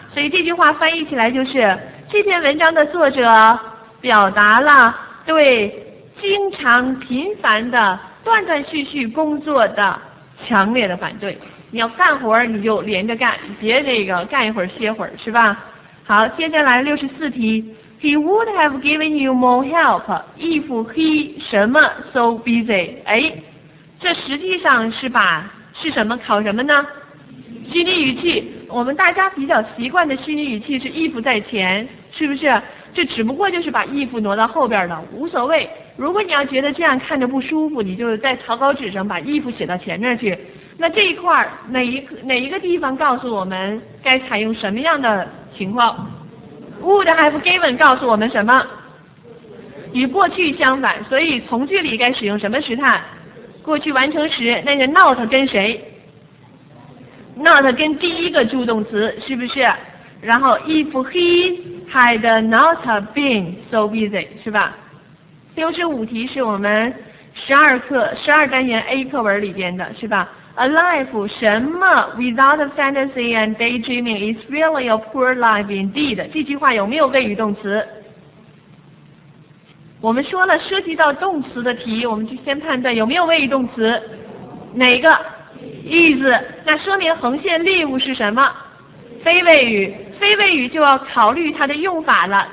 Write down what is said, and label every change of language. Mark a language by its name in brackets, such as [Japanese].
[Chinese] 所以这句话翻译起来就是，这篇文章的作者表达了对经常频繁的断断续续工作的强烈的反对。你要干活你就连着干，别那个干一会儿歇会儿是吧。好，接下来64题， [English] He would have given you more help if he [Chinese] 什么 [English] so busy。 [Chinese] 哎，这实际上是把是什么考什么呢，虚拟语气。我们大家比较习惯的虚拟语气是 if 在前，是不是，这只不过就是把 if 挪到后边了，无所谓。如果你要觉得这样看着不舒服，你就在草稿纸上把 if 写到前面去。那这一块哪一个地方告诉我们该采用什么样的情况， [English] would have given [Chinese] 告诉我们什么，与过去相反，所以从句里该使用什么时态，过去完成时。那个 not 跟谁， not 跟第一个助动词是不是。然后 [English] if he had not been so busy [Chinese] 是吧。 65题是我们12单元 A 课文里边的是吧。 [English] A life [Chinese] 什么 [English] without fantasy and daydreaming is really a poor life indeed， [Chinese] 这句话有没有谓语动词，我们说了涉及到动词的题，我们就先判断有没有谓语动词，哪个 is， 那说明横线 live 是什么，非谓语，非谓语就要考虑它的用法了。